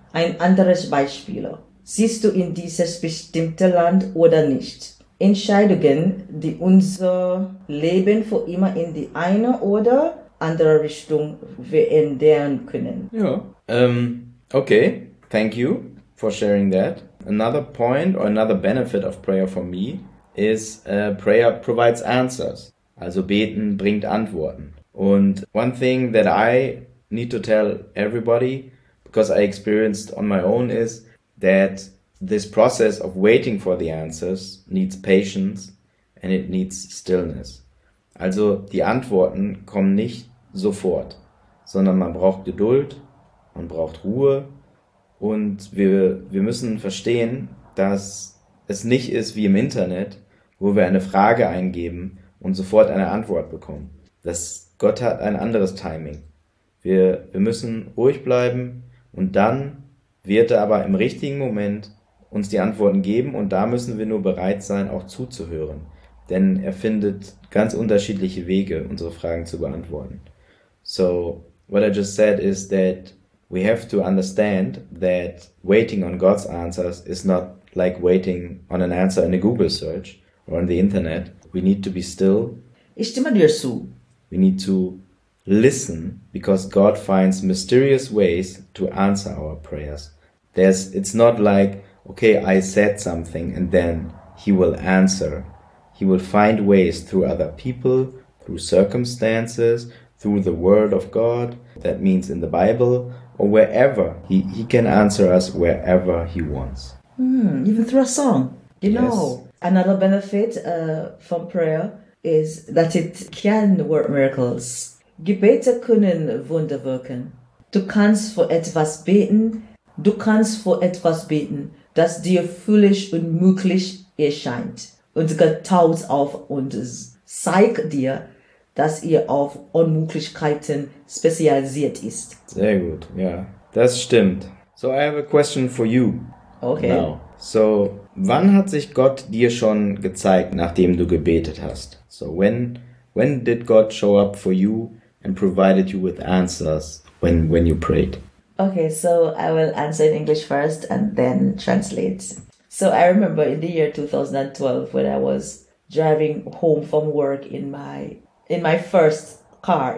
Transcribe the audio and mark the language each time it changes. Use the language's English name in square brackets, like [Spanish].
[German] Ein anderes Beispiel. Siehst du in dieses bestimmte Land oder nicht? Entscheidungen, die unser Leben für immer in die eine oder andere Richtung verändern können. [English] Ja, okay, thank you for sharing that. Another point or another benefit of prayer for me is prayer provides answers. [German] Also beten bringt Antworten. [English] Und one thing that I need to tell everybody, because I experienced on my own, is that this process of waiting for the answers needs patience and it needs stillness. [German] Also die Antworten kommen nicht sofort, sondern man braucht Geduld, man braucht Ruhe und wir müssen verstehen, dass es nicht ist wie im Internet, wo wir eine Frage eingeben und sofort eine Antwort bekommen. Dass Gott hat ein anderes Timing. Wir müssen ruhig bleiben und dann wird er aber im richtigen Moment uns die Antworten geben und da müssen wir nur bereit sein, auch zuzuhören. Denn er findet ganz unterschiedliche Wege, unsere Fragen zu beantworten. [English] So, what I just said is that we have to understand that waiting on God's answers is not like waiting on an answer in a Google search or on the internet. We need to be still. [German] Ich stimme dir zu. [English] We need to listen because God finds mysterious ways to answer our prayers. It's not like, okay, I said something and then he will answer. He will find ways through other people, through circumstances, through the word of God, that means in the Bible, or wherever. He can answer us wherever he wants. Even through a song. You know, yes. Another benefit from prayer is that it can work miracles. [German] Gebete können Wunder wirken. Du kannst für etwas beten, das dir foolish und möglich erscheint. Und Gott taut auf und zeigt dir, dass ihr auf Unmöglichkeiten spezialisiert ist. Sehr gut, ja. Das stimmt. [English] So, I have a question for you. Okay. Now. [German] So, wann hat sich Gott dir schon gezeigt, nachdem du gebetet hast? [English] So, when did God show up for you and provided you with answers when you prayed? Okay, so I will answer in English first and then translate. So, I remember in the year 2012 when I was driving home from work in my first car.